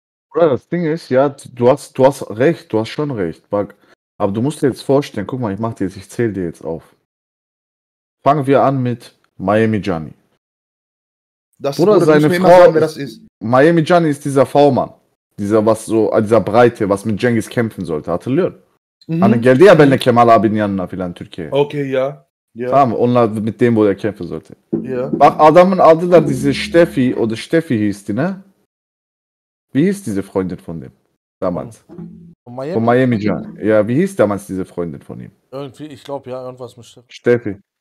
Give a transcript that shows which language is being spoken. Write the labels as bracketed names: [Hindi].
[German] Bruder, das Ding ist, ja, du hast recht, du hast schon recht, Bug. Aber du musst dir jetzt vorstellen, guck mal, ich zähl dir jetzt auf. Fangen wir an mit Miami Johnny. Das, Bruder, du seine Frau, sagen, wer das ist. Miami Johnny ist dieser V-Mann. Dieser, was so, dieser Breite, was mit Genghis kämpfen sollte. [Turkish] Hatırlıyor. Mhm. Hani geldi ya benle Kemal abinin yanına filan Türkiye. [German] Okay, ja. Yeah. [Turkish] Tamam, onlar [German] mit dem, wo er kämpfen sollte. Ja. Yeah. [Turkish] Bak, adamın adı da [German] diese Steffi, oder Steffi hieß die, ne? Wie hieß diese Freundin von dem? Damals. Von Miami Johnny. Ja, wie hieß damals diese Freundin von ihm? Irgendwie, ich glaube, ja, irgendwas mit Steffi. Steffi.